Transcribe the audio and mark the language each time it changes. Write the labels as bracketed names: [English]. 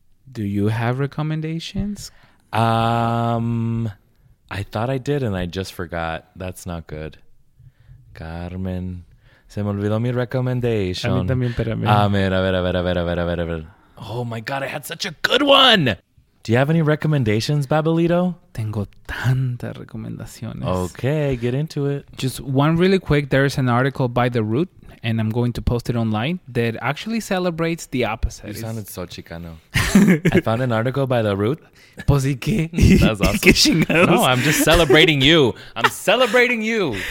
[English] Do you have recommendations? I thought I did and I just forgot. That's not good. [Spanish] Carmen, se me olvidó mi recomendación. A mí también, pero a mí. A ver. [English] Oh my God, I had such a good one. Do you have any recommendations, Babelito? [Spanish] Tengo tantas recomendaciones. [English] Okay, get into it. Just one really quick. There is an article by The Root, and I'm going to post it online, that actually celebrates the opposite. You sounded so Chicano. I found an article by The Root. [Spanish] Pues y qué? [English] That's awesome. No, I'm just celebrating you. I'm celebrating you.